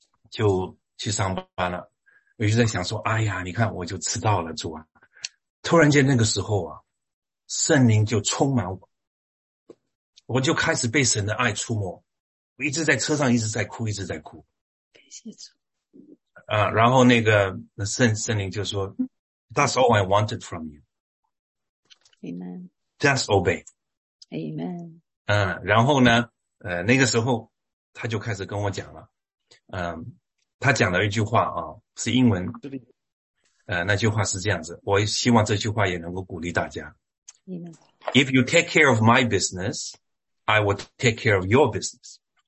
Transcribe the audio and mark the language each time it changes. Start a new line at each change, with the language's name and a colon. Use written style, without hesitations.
Chinese: 就去上班了，我就在想说，哎呀，你看我就迟到了，主啊，突然间那个时候啊，圣灵就充满我。我就开始被神的爱触摸，我一直在车上一直在哭，一直在哭。谢主。然后那个圣灵就说：
English: “That's all I wanted from you. Amen. Just obey。 Amen.
Chinese: 然后呢，那个时候他就开始跟我讲了，他讲了一句话啊，是英文，那句话是这样子，我希望这句话也能够鼓励大家
English: Amen. ：If you take care of my business。 I will take care of your business